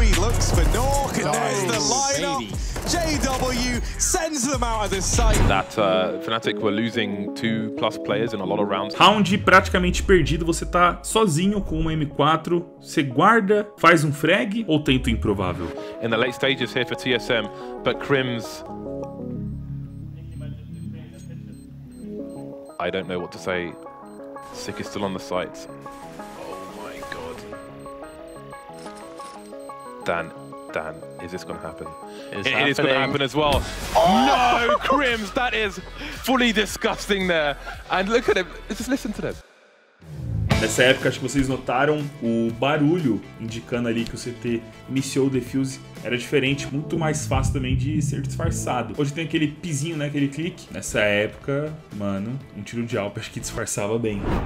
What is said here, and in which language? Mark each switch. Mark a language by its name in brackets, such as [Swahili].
[English] He looks for Nork, and there's the lineup. JW sends them out of the site. That Fnatic were losing 2+ players in a lot of rounds. [Portuguese] Round praticamente perdido. Você tá sozinho com uma M4. Você guarda, faz um frag ou tenta o improvável? [English] In the late stages here for TSM, but Crims. I don't know what to say. Sick is still on the site. Oh my god. Dan, is this gonna happen? It is gonna happen as well. No, Crims, that is fully disgusting there. And look at him, just listen to this. [Portuguese] Nessa época, acho que vocês notaram o barulho indicando ali que o CT iniciou o defuse. Era diferente, muito mais fácil também de ser disfarçado. Hoje tem aquele pizinho, né, aquele clique. Nessa época, mano, um tiro de AWP acho que disfarçava bem.